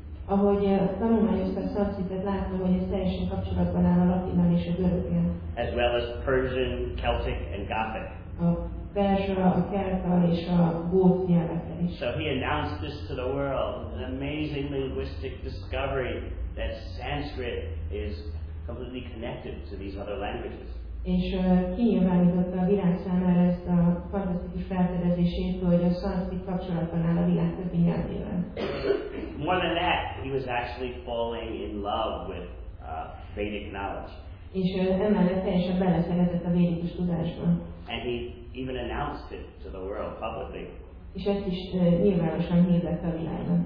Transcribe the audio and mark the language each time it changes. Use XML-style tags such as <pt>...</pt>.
<en>As well as Persian, Celtic, and Gothic. So he announced this to the world, an amazing linguistic discovery that Sanskrit is completely connected to these other languages.</en> <hu>És kinyilvánította a világ számára ezt a fantasztikus felfedezését, hogy a szanszkrit kapcsolatban áll a világ többi nyelvével.</hu> <en>More than that, he was actually falling in love with Vedic knowledge.</en> <hu>És emellett teljesen beleszeretett a védikus tudásba.</hu> <en>And he even announced it to the world publicly.</en> <hu>És ezt is nyilvánosan hirdette a világban.</hu>